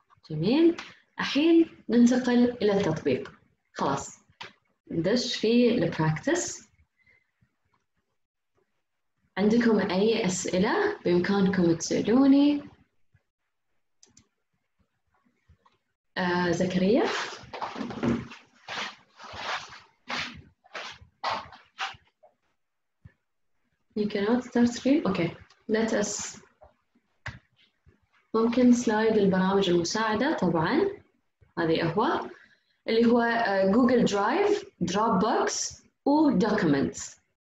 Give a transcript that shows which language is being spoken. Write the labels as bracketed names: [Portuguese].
[Arabic] جميل، الحين ننتقل إلى التطبيق، خلاص ندش في البراكتس. عندكم أي أسئلة بإمكانكم تسألوني. [English] Zakaria, you cannot start screen. Okay, let us. [Arabic] ممكن سلايد البرامج المساعدة طبعاً، هذه أهو اللي هو جوجل درايف، دروب بوكس، ودوكيمنتس.